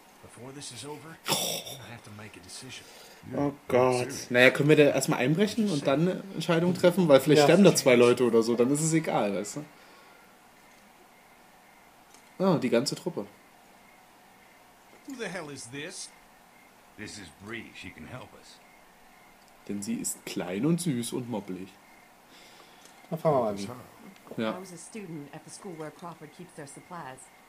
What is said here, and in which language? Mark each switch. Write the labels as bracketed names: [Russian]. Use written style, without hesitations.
[English] Before this is over, I have to make a decision. [German] Oh Gott. Naja, können wir da erstmal einbrechen und dann eine Entscheidung treffen? Weil vielleicht sterben da zwei Leute oder so, dann ist es egal, weißt du? Oh, die ganze Truppe. [English] Who the hell is this? This is Bree. She can help us. [German] Denn sie ist klein und süß und moppelig. Dann fangen wir mal an. Ja. [English] I was a student at the school where Crawford keeps their supplies.